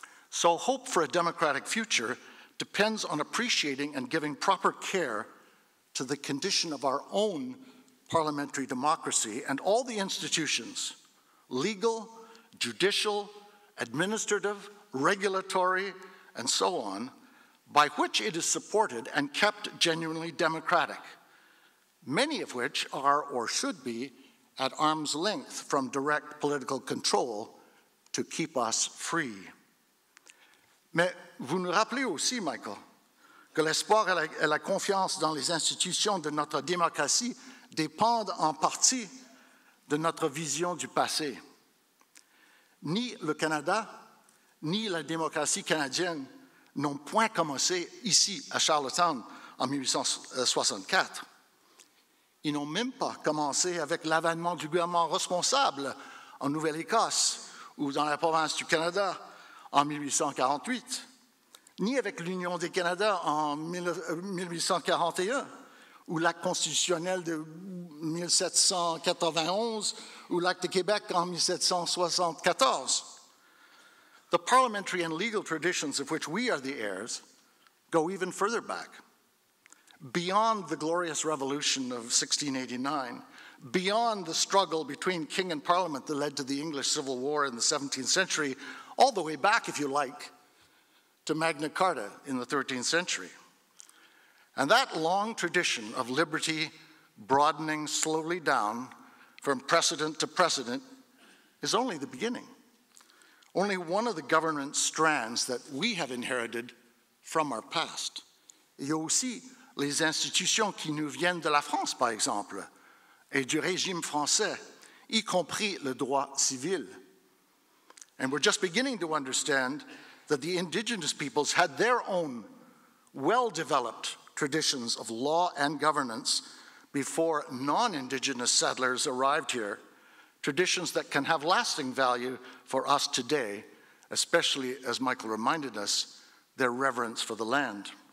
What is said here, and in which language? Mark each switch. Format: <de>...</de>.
<en>So hope for a democratic future depends on appreciating and giving proper care to the condition of our own parliamentary democracy and all the institutions, legal, judicial, administrative, regulatory, and so on, by which it is supported and kept genuinely democratic, many of which are or should be at arm's length from direct political control to keep us free.</en> <fr>Mais vous nous rappelez aussi,</fr> <en>Michael,</en> <fr>que l'espoir et la confiance dans les institutions de notre démocratie dépendent en partie de notre vision du passé. Ni le Canada, ni la démocratie canadienne n'ont point commencé ici, à Charlottetown, en 1864. Ils n'ont même pas commencé avec l'avènement du gouvernement responsable en Nouvelle-Écosse ou dans la province du Canada en 1848, ni avec l'Union des Canadas en 1841, ou l'acte constitutionnel de 1791, ou l'acte de Québec en 1774.</fr> <en>The parliamentary and legal traditions of which we are the heirs go even further back. Beyond the glorious revolution of 1689, beyond the struggle between king and parliament that led to the English Civil War in the 17th century, all the way back, if you like, to Magna Carta in the 13th century. And that long tradition of liberty broadening slowly down from precedent to precedent is only the beginning, only one of the governance strands that we have inherited from our past.</en> <fr>Il y a aussi les institutions qui nous viennent de la France, par exemple, et du régime français, y compris le droit civil.</fr> <en>And we're just beginning to understand that the indigenous peoples had their own well-developed traditions of law and governance before non-indigenous settlers arrived here, traditions that can have lasting value for us today, especially, as Michael reminded us, their reverence for the land.</en>